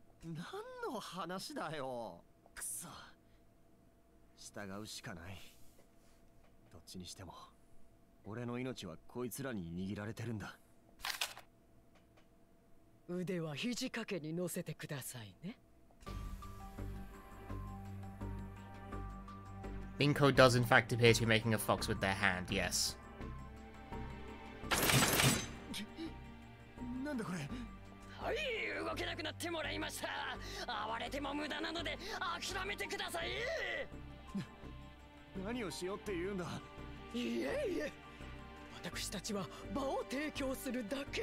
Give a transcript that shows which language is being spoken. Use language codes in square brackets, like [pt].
[ja] 何の話だよ。くそ、従うしかない。どっちにしても俺の命はこいつらに握られてるんだ。腕は肘掛けに乗せてくださいね。 [en] Minko does in fact appear to be making a fox with their hand, yes. [ja] なんだこれ。はい、動けなくなってもらいました。暴れても無駄なので諦めてください。何をしようって言うんだ。いえいえ、私たちは場を提供するだけ。